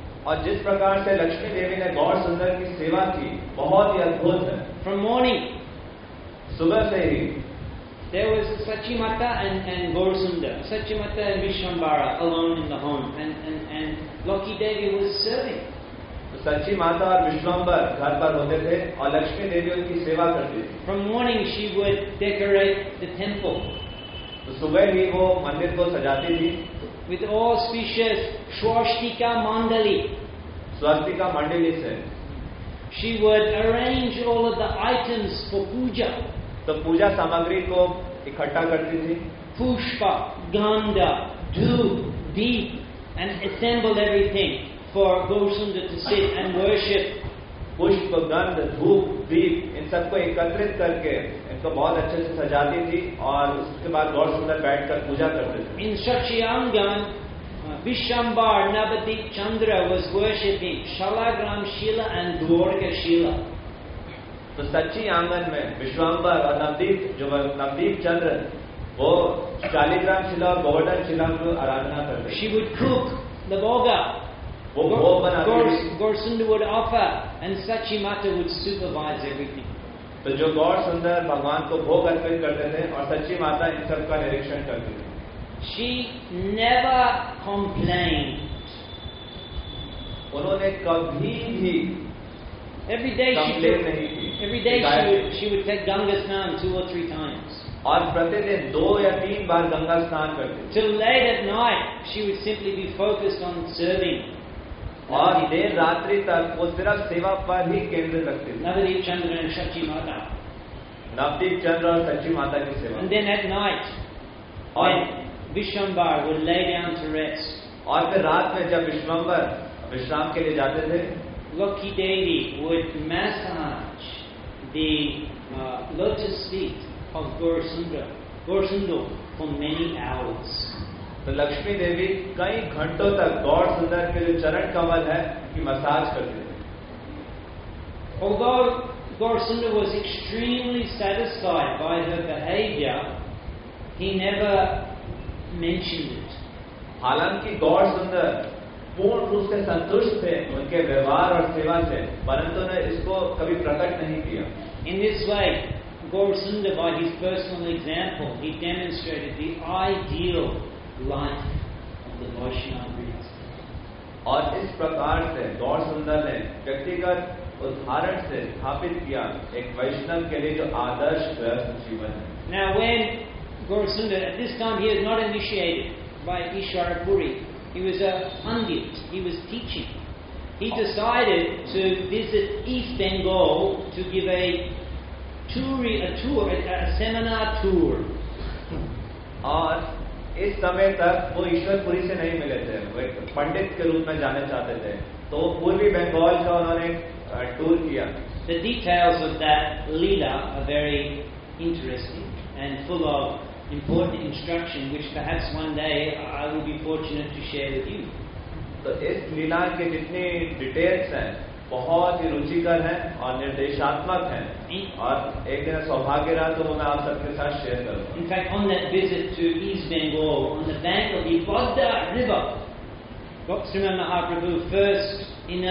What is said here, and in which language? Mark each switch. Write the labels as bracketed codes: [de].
[hi] और जिस प्रकार से लक्ष्मी देवी ने गौर सुंदर की सेवा की बहुत ही अद्भुत है. [en] From morning, [hi] सुबह से ही [en] there was Sachimata and Gaur Sundar, Sachimata and Vishwambara alone in the home, and Lakshmi Devi was serving. [hi] सच्ची माता और विश्वंबर घर पर होते थे और लक्ष्मी देवी उनकी सेवा करती थी. [en] From morning she would decorate the temple. [hi] सुबह ही वो मंदिर को सजाती थी. [en] With auspicious Swastika Mandali. [hi] Swastika Mandali से. [en] She would arrange all of the items for puja. [hi] तो पूजा सामग्री को इकट्ठा करती थी. [en] Pushpa, Ganda, Dhoop, Deep and assemble everything for Gosundar to sit and worship. [hi] Pushpa, Ganda, Dhoop, Deep, इन सबको एकत्रित करके तो बहुत अच्छे से सजाती थी और उसके बाद गौर सुंदर बैठकर पूजा करते थे. [en] In Shachiyangan, Vishambar Navadip Chandra was worshipping Shalagram Shila and Dwarka Shila. [hi] तो सच्ची आंगन में विश्वंबर और नवदीप चंद्र वो शालिग्राम शिला और गोवर्धन शिला को आराधना करते. [en] She would cook the boga. [hi] वो भोग बनाती. [en] Gaur Sundar would offer and Sachimata would supervise everything. [hi] तो जो गौर सुंदर भगवान को भोग अर्पित करते थे और सच्ची माता इन सब का निरीक्षण करती थी. [en] She never complained. [hi] उन्होंने कभी भी [en] complain [hi] नहीं की. [en] Every day she would take Ganga snan 2 or 3 times. [hi] और प्रतिदिन 2 या 3 बार गंगा स्नान करती. [en] Till late at night she would simply be focused on serving. [hi] और देर रात्रि तक वो सिर्फ सेवा पर ही केंद्रित रखते थे. नवदीप चंद्र और सच्ची माता. नवदीप चंद्र और सच्ची माता की सेवा. [en] And then at night, [hi] और [en] Vishwambar would lay down to rest. [hi] और फिर रात में जब विश्वंबर विश्राम के लिए जाते थे, [en] Lakshmi Devi would massage the lotus feet of Gaur Sundar for many hours. [hi] तो लक्ष्मी देवी कई घंटों तक गौर सुंदर के जो चरण कमल है की मसाज करती थी. [en] Although Gaur Sundar was extremely satisfied by her behavior, he never mentioned it. [hi] हालांकि गौर सुंदर पूर्ण रूप से संतुष्ट थे उनके व्यवहार और सेवा से, परंतु ने इसको कभी प्रकट नहीं किया. [en] In this way, Gaur Sundar, by his personal example, he demonstrated the ideal life of the Vaishnavas. [hi] और इस प्रकार से गौर सुंदर ने व्यक्तिगत उदाहरण से स्थापित किया एक वैष्णव के लिए जो आदर्श गृहस्थ जीवन है. [en] Now when Gaur Sundar, at this time he is not initiated by Ishwara Puri, he was a pandit, he was teaching. He decided to visit East Bengal to give a seminar tour. [hi] और इस समय तक वो ईश्वरपुरी से नहीं मिले थे, वो एक पंडित के रूप में जाने चाहते थे, तो पूर्वी बंगाल का उन्होंने टूर किया. [en] The details of that leela are very interesting and full of important instruction, which perhaps one day I will be fortunate to share with you. [hi] तो इस लीला के जितने डिटेल्स हैं बहुत ही रुचिकर हैं और निर्देशात्मक हैं, और एक दिन सौभाग्य रहा तो मैं आप सबके साथ शेयर करूंगा. [en] In fact, on that visit to East Bengal, on the bank of the Bodda River, Srimad Mahaprabhu first